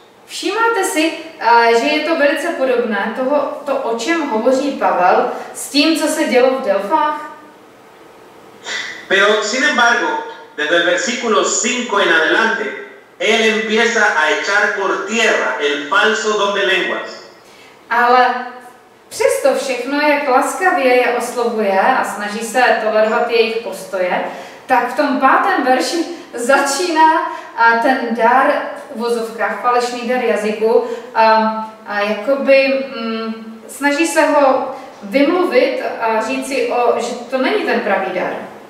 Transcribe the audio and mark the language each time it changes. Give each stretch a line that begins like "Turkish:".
Czech: Všimáte si, že je to velice podobné toho, to, o čem hovoří Pavel, s tím, co se dělo v Delfách?
Spanish: Pero sin embargo, desde el versículo 5 en adelante, él empieza a echar por tierra el falso don de lenguas.
Czech: Ale přesto všechno, jak laskavě je oslovuje a snaží se tolerovat jejich postoje, tak v tom pátém verši začíná ten dar v uvozovkách, falešný dar jazyku, a jakoby snaží se ho vymluvit a říct si, že to není ten pravý dar.